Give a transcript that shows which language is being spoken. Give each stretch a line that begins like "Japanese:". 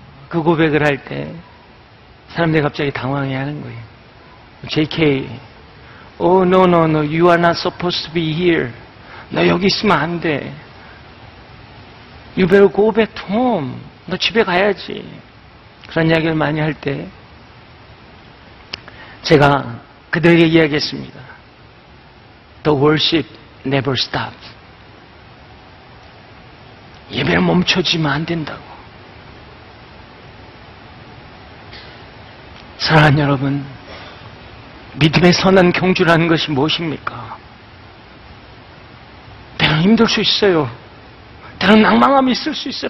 Korean: 그 고백을 할 때 사람들이 갑자기 당황해 하는 거예요.
English: JK, oh no no no, you are not supposed to be here.
Korean: 너 여기 있으면 안 돼.
English: You better go back home.
Korean: 너 집에 가야지. 그런 이야기를 많이 할 때 제가 그들에게 이야기했습니다.
English: The worship never stops.
Korean: 예배는 멈춰지면 안 된다고. 사랑하는 여러분, 믿음의 선한 경주라는 것이 무엇입니까? 때로는 힘들 수 있어요. 때로는 낭망함이 있을 수 있어요.